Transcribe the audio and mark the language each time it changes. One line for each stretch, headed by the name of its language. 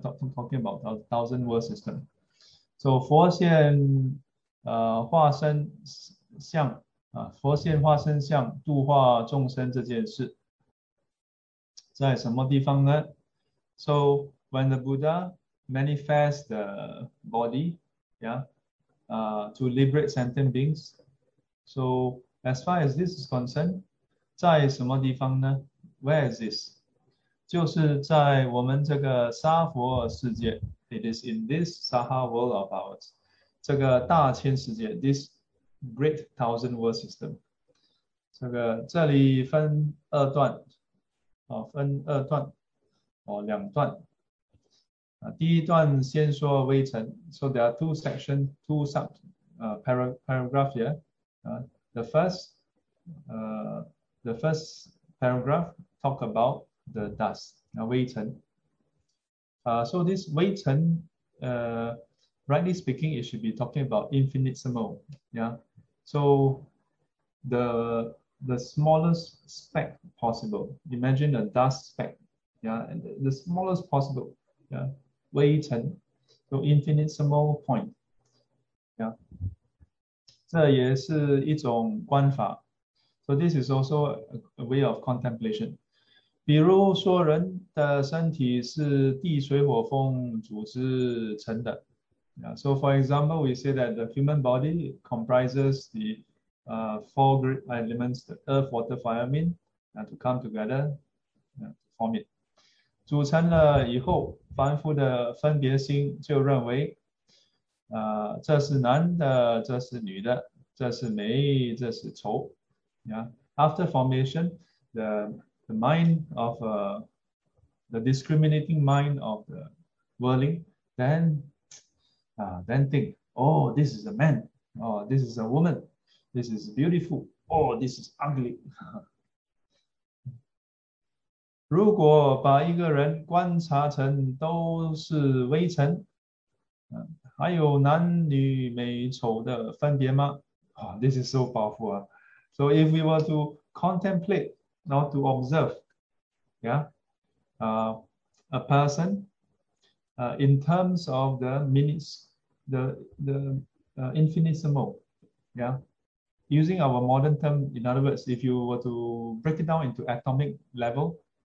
English: Talking about the thousand world system. So
Chinese: 佛现化身相啊，佛现化身相度化众生这件事，在什么地方呢？
English: So when the Buddha manifest the body, yeah, to liberate sentient beings. So as far as this is concerned,
Chinese: 在什么地方呢？
English: Where is this？
Chinese: 就是在我们这个娑婆世界。
English: It is in this Saha world of ours，
Chinese: 这个大千世界，
English: this great thousand world system。
Chinese: 这里分二段，分二段，两段。第一段先说微尘，
English: so there are two section, two sub, paragraph here. The first paragraph talk about the dust, 微尘。 So this 微尘rightly speaking, it should be talking about infinitesimal, yeah. So the smallest speck possible. Imagine a dust speck, yeah, and the smallest possible, yeah.
Chinese: 微尘，
English: so infinitesimal point，
Chinese: 这也是一种观法。
English: So this is also a way of contemplation。
Chinese: 比如说，人的身体是地水火风组织成的。
English: So for example, we say that the human body comprises the four great elements, the earth, water, fire, wind, to come together, to form it。
Chinese: 组成了以后。凡夫的分别心就认为，这是男的，这是女的，这是美，这是丑。
English: After formation, the mind of the discriminating mind of the worldling, then think, oh, this is a man, oh, this is a woman, this is beautiful, oh, this is ugly.
Chinese: 如果把一个人观察成都是微尘，还有男女美丑的分别吗？
English: This is so powerful 啊！So if we were to contemplate, not to observe, a person, in terms of the minutes, the infinitesimal, using our modern term, in other words, if you were to break it down into atomic level.